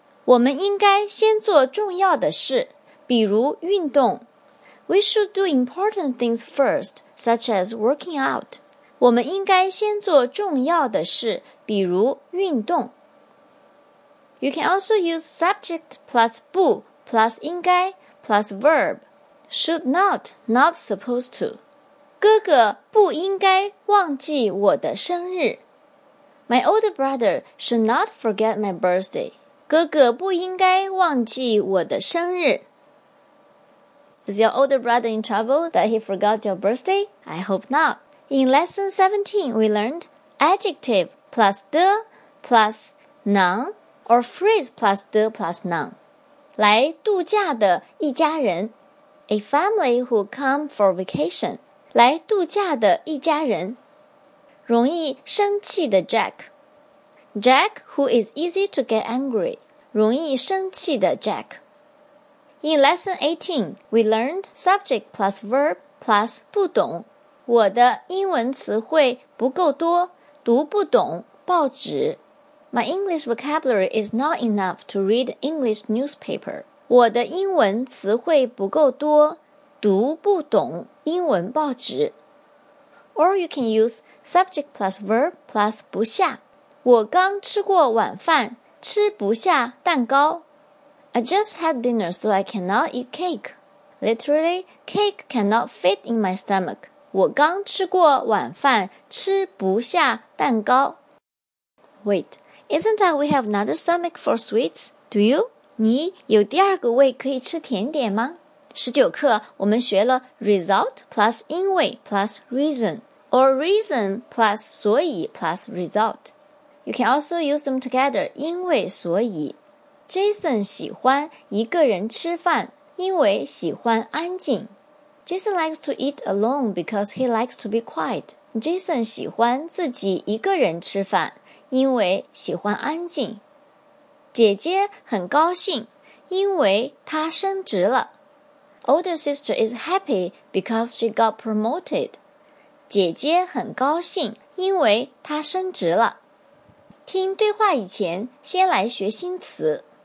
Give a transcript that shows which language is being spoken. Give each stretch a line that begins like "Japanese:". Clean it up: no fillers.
Chinese: 我们应该先做重要的事,比如运动。
English: We should do important things first, such as working out.
Chinese: 我们应该先做重要的事,比如运动。
English: You can also use subject plus 不 plus 应该 plus verb. Should not, not supposed to.
Chinese: 哥哥不应该忘记我的生日。
English: My older brother should not forget my birthday.
Chinese: 哥哥不应该忘记我的生日。
English: Is your older brother in trouble that he forgot your birthday? I hope not. In lesson 17, we learned adjective plus 的 plus 能。 Or phrase plus the plus noun.
Chinese: 来度假的一家人。
English: A family who come for vacation.
Chinese: 来度假的一家人。容易生气的
English: Jack. Jack who is easy to get angry.
Chinese: 容易生气的
English: Jack. In lesson 18, we learned subject plus verb plus 不懂。
Chinese: 我的英文词汇不够多,读不懂报纸。
English: My English vocabulary is not enough to read English newspaper.
Chinese: 我的英文词汇不够多,读不懂英文报纸。
English: Or you can use subject plus verb plus 不下。
Chinese: 我刚吃过晚饭,吃不下蛋糕。
English: I just had dinner so I cannot eat cake. Literally, cake cannot fit in my stomach.
Chinese: 我刚吃过晚饭,吃不下蛋糕。
English: Wait. Isn't that we have another stomach for sweets? Do you?
Chinese: 你有第二个胃可以吃甜点吗？ 19课我们学了
English: result plus 因为 plus reason, or reason plus 所以 plus result. You can also use them together, 因为所以。
Chinese: Jason 喜欢一个人吃饭，因为喜欢安静。
English: Jason likes to eat alone because he likes to be quiet.
Chinese: Jason 喜欢自己一个人吃饭。因为喜欢安静。姐姐很高兴,因为她升职了。
English: Older sister is happy because she got promoted.
Chinese: 姐姐很高兴,因为她升职了。听对话以前,先来学新词。